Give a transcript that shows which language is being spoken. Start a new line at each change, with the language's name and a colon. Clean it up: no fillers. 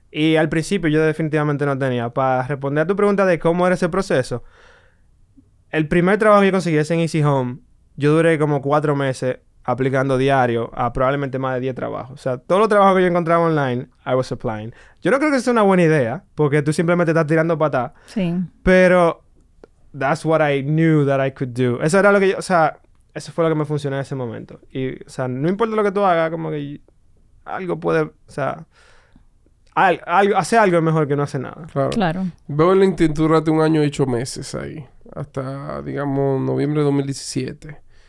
Spanish: Y al principio yo definitivamente no tenía. Para responder a tu pregunta de cómo era ese proceso, el primer trabajo que yo conseguí es en Easy Home. Yo duré como 4 meses aplicando diario a probablemente más de 10 trabajos. O sea, todos los trabajos que yo encontraba online,
English: I was applying.
Spanish: Yo no creo que sea una buena idea, porque tú simplemente estás tirando patas. Sí.
English: Pero that's what I knew that I could do.
Spanish: Eso era lo que yo... O sea, eso fue lo que me funcionó en ese momento. Y, o sea, no importa lo que tú hagas, como que algo puede... O sea, hacer algo es mejor que no hacer nada. Claro. Claro. Veo en LinkedIn, tú duraste 1 año y 8 meses ahí. Hasta, digamos, noviembre de 2017.